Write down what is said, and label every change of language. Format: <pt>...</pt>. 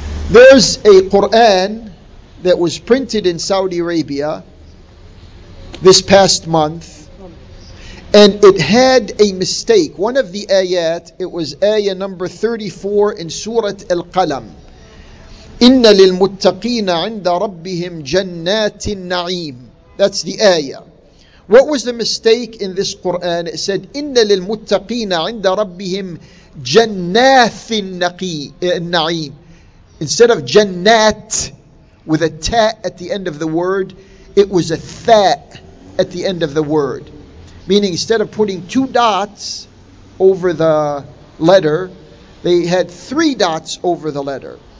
<en>There's a Quran that was printed in Saudi Arabia this past month, and it had a mistake. One of the ayat, it was ayah number 34 in Surah Al-Qalam.</en> <ar>إِنَّ لِلْمُتَّقِينَ عِنْدَ رَبِّهِمْ جَنَّاتِ النَّعِيمِ.</ar> <en>That's the ayah. What was the mistake in this Quran? It said,</en> <ar>إِنَّ لِلْمُتَّقِينَ عِنْدَ رَبِّهِمْ جَنَّاتِ النَّعِيمِ.</ar> <en>Instead of jannat with a ta at the end of the word, it was a tha at the end of the word. Meaning instead of putting two dots over the letter, they had three dots over the letter.</en>